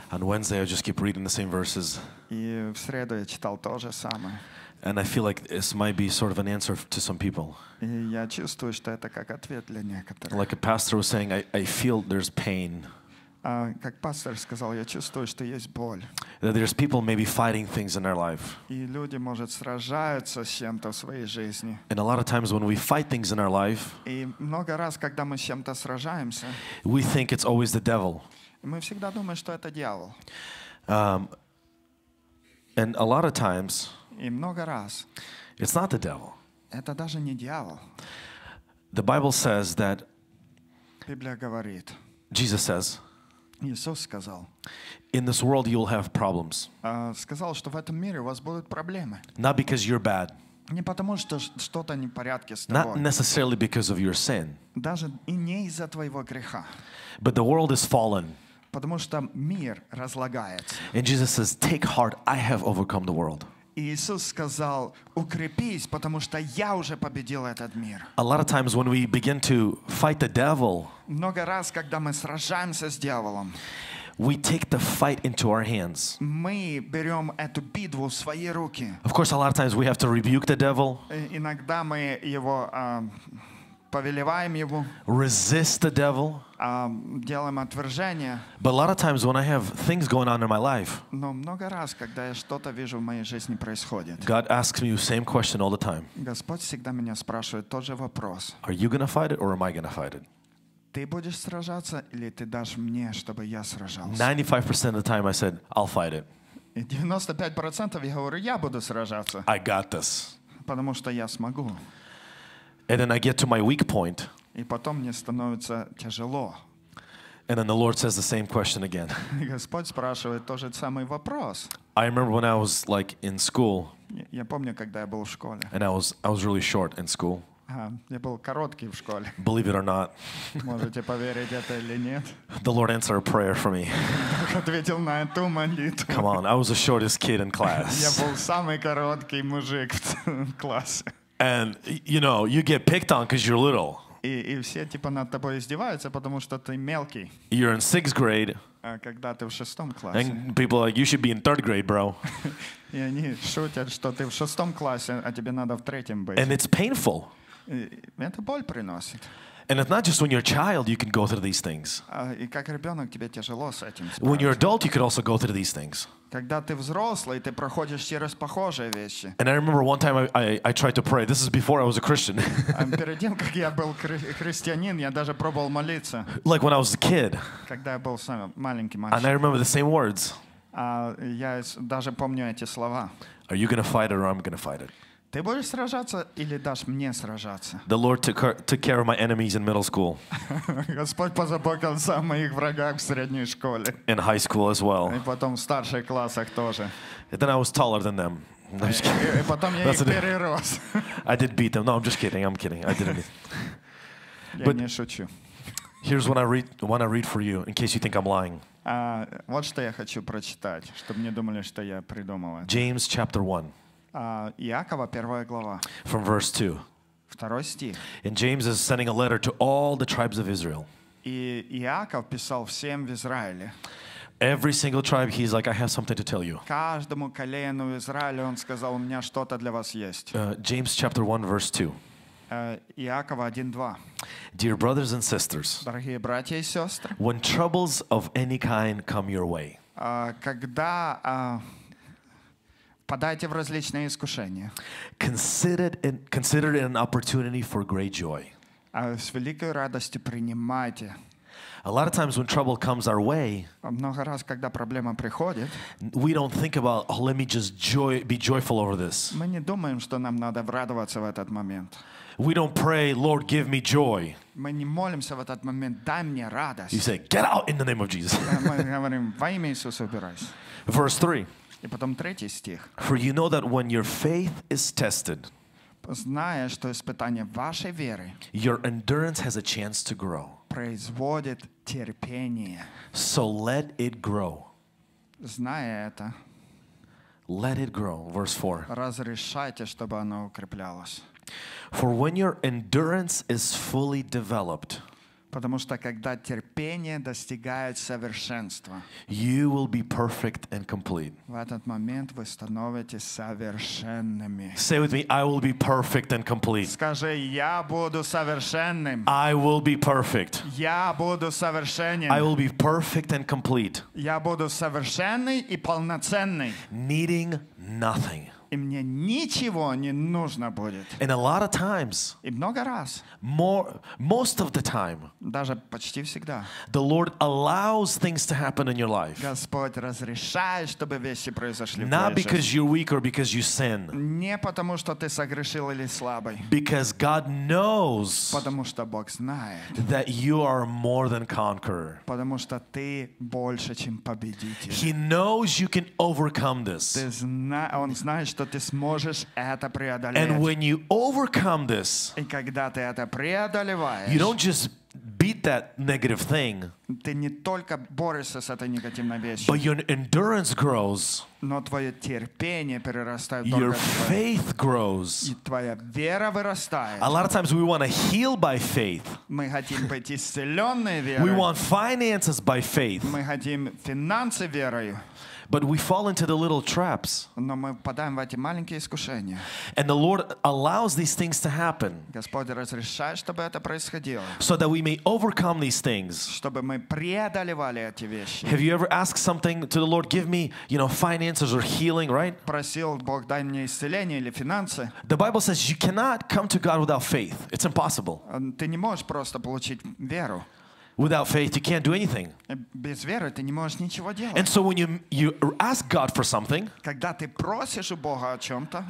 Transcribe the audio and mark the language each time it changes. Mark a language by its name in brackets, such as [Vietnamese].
[English] On Wednesday I just keep reading the same verses. [Russian] И в среду я читал то же самое. [English] And I feel like this might be sort of an answer to some people. [Russian] И я чувствую, что это как ответ для некоторых. [English] Like a pastor was saying, I feel there's pain. [Russian] Как пастор сказал, я чувствую, что есть боль. [English] That there's people maybe fighting things in their life. [Russian] И люди, может, сражаются с чем-то в своей жизни. [English] And a lot of times when we fight things in our life, [Russian] и много раз, когда мы с чем-то сражаемся, [English] we think it's always the devil. [Russian] Мы всегда думаем, что это дьявол. [English] And a lot of times, [Russian] и много раз, [English] it's not the devil. [Russian] Это даже не дьявол. [English] The Bible says that, [Russian] Библия говорит, [English] Jesus says, [Russian] Иисус сказал, [English] in this world you'll have problems. [Russian] Сказал, что в этом мире у вас будут проблемы. [English] Not because you're bad. [Russian] Не потому, что что-то не в порядке с тобой. [English] Not necessarily because of your sin. [Russian] Даже и не из-за твоего греха. [English] But the world is fallen. [Russian] Потому что мир разлагается. [English] And Jesus says, take heart, I have overcome the world. [Russian] Иисус сказал, укрепись, потому что я уже победил этот мир. [English] A lot of times when we begin to fight the devil, [Russian] много раз, когда мы сражаемся с дьяволом, [English] we take the fight into our hands. [Russian] Мы берем эту битву в свои руки. [English] Of course, a lot of times we have to rebuke the devil. [Russian] Иногда мы его повелеваем его. [English] Resist the devil. [Russian] Делаем отвержение. [English] But a lot of times when I have things going on in my life, [Russian] но много раз, когда я что-то вижу в моей жизни происходит, [English] God asks me the same question all the time. [Russian] Господь всегда меня спрашивает тот же вопрос. [English] Are you gonna fight it or am I gonna fight it? [Russian] Ты будешь сражаться или ты дашь мне, чтобы я сражался? [English] 95% of the time I said, I'll fight it. [Russian] 95% я говорю, я буду сражаться. [English] I got this. [Russian] Потому что я смогу. [English] And then I get to my weak point. [Russian] И потом мне становится тяжело. [English] And then the Lord says the same question again. [Russian] Господь спрашивает тот же самый вопрос. [English] I remember when I was like in school. [Russian] Я помню, когда я был в школе. [English] And I was really short in school. [Russian] Я был короткий в школе. [English] Believe it or not. [Russian] Можете поверить это или нет. [English] The Lord answered a prayer for me. [Russian] Ответил на эту молитву. [English] Come on, I was the shortest kid in class. [Russian] Я был самый короткий мужик в классе. [English] And you know, you get picked on because you're little. [Russian] И все типа над тобой издеваются, потому что ты мелкий. [English] You're in sixth grade. [Russian] Когда ты в шестом классе. [English] And people are like, you should be in third grade, bro. [Russian] И они шутят, что ты в шестом классе, а тебе надо в третьем быть. [English] And it's painful. [Russian] Это боль приносит. [English] And it's not just when you're a child you can go through these things. [Russian] И как ребенок тебе тяжело с этим. [English] When you're adult you could also go through these things. [Russian] Когда ты взрослый, ты проходишь через похожие вещи. [English] And I remember one time I tried to pray. This is before I was a Christian. [Russian] Перед тем, как я был христианин, я даже пробовал молиться. [English] Like when I was a kid. [Russian] Когда я был самым маленьким мальчиком. [English] And I remember the same words. [Russian] Я даже помню эти слова. [English] Are you going to fight it or am I going to fight it? [Russian] Ты будешь сражаться или дашь мне сражаться? [English] The Lord took care of my enemies in middle school. [Russian] Господь позаботился о моих врагах в средней школе. [English] In high school as well. [Russian] И потом в старших классах тоже. [English] And then I was taller than them. No, I'm just kidding. [Russian] И потом я их перерос. [English] I did beat them. No, I'm just kidding. I'm kidding. I didn't. [Russian] Я не шучу. [English] Here's what I want to read for you, in case you think I'm lying. [Russian] Вот что я хочу прочитать, чтобы не думали, что я придумал. [English] James chapter 1. [Russian] Иакова, первая глава. [English] From verse 2. [Russian] Второй стих. [English] And James is sending a letter to all the tribes of Israel. [Russian] И Иаков писал всем в Израиле. [English] Every single tribe, he's like, I have something to tell you. [Russian] Каждому колену Израиля он сказал, у меня что-то для вас есть. [English] James chapter 1, verse 2. [Russian] Иакова 1:2. [English] Dear brothers and sisters, [Russian] дорогие братья и сестры, [English] when troubles of any kind come your way, [Russian] когда впадайте в различные искушения. [English] Consider it an opportunity for great joy. [Russian] С великой радостью принимайте. [English] A lot of times when trouble comes our way, [Russian] много раз, когда проблема приходит, [English] we don't think about, oh, let me just be joyful over this. [Russian] Мы не думаем, что нам надо радоваться в этот момент. [English] We don't pray, Lord, give me joy. [Russian] Мы не молимся в этот момент, дай мне радость. [English] You say, get out in the name of Jesus. [Russian] Мы говорим, во имя Иисуса убирайся. [English] Verse 3. [Russian] И потом третий стих. [English] For you know that when your faith is tested, [Russian] зная, что испытание вашей веры, [English] your endurance has a chance to grow, [Russian] производит терпение. [English] So let it grow. [Russian] Зная это, [English] Let it grow. Verse 4. [Russian] Разрешайте, чтобы оно укреплялось. [English] For when your endurance is fully developed, [Russian] потому что когда терпение достигает совершенства, [English] you will be perfect and complete. [Russian] В этот момент вы становитесь совершенными. [English] Say with me, I will be perfect and complete. [Russian] Скажи, я буду совершенным. [English] I will be perfect. [Russian] Я буду совершенным. [English] I will be perfect and complete. [Russian] Я буду совершенный и полноценный. [English] Needing nothing. [Russian] И мне ничего не нужно будет. [English] And a lot of times, [Russian] и много раз, [English] more, most of the time, [Russian] даже почти всегда, [English] the Lord allows things to happen in your life. [Russian] Господь разрешает, чтобы вещи произошли. [English] Not because you're weak or because you sin. [Russian] Не потому, что ты согрешил или слабый. [English] Because God knows, [Russian] потому что Бог знает, [English] that you are more than conqueror. [Russian] Потому что ты больше, чем победитель. [English] He knows you can overcome this. [Russian] Он знает, что ты сможешь это преодолеть. [English] And when you overcome this, [Russian] и когда ты это преодолеваешь, [English] you don't just beat that negative thing, [Russian] ты не только борешься с этой негативной вещью, [English] but your endurance grows, [Russian] но твое терпение перерастает, [English] your faith grows, [Russian] и твоя вера вырастает. [English] A lot of times we want to heal by faith. [Russian] Мы хотим быть исцеленные верой. [English] We want finances by faith. [Russian] Мы хотим финансы верой. [English] But we fall into the little traps. [Russian] Но мы впадаем в эти маленькие искушения. [English] And the Lord allows these things to happen. [Russian] Господь разрешает, чтобы это происходило. [English] So that we may overcome these things. [Russian] Чтобы мы преодолевали эти вещи. [English] Have you ever asked something to the Lord, give me, you know, finances or healing, right? [Russian] Просил Бог, дай мне исцеление или финансы. [English] The Bible says you cannot come to God without faith. It's impossible. [Russian] Ты не можешь просто получить веру. [English] Without faith, you can't do anything. [Russian] Без веры ты не можешь ничего делать. [English] And so when you ask God for something, [Russian] когда ты просишь у Бога о чем-то,